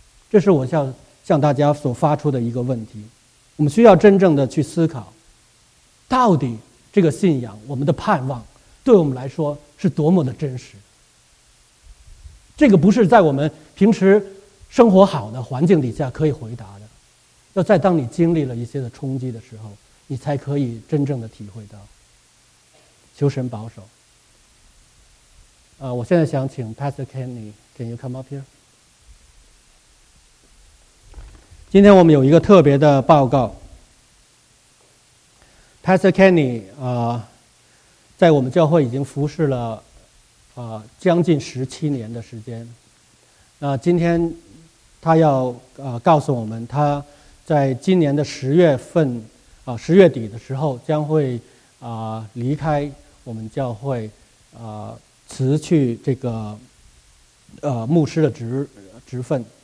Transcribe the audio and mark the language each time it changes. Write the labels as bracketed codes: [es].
[zh] 这是我向大家所发出的一个问题。我们需要真正的去思考，到底这个信仰，我们的盼望，对我们来说是多么的真实。这个不是在我们平时生活好的环境底下可以回答的，要在当你经历了一些的冲击的时候，你才可以真正的体会到。求神保守。我现在想请 Pastor Kenny, [en] can you come up here? [zh] 今天我们有一个特别的报告。 Pastor Kenny 在我们教会已经服侍了将近17年的时间。今天他要告诉我们，他在今年的10月份10月底的时候将会离开我们教会，辞去这个牧师的职分。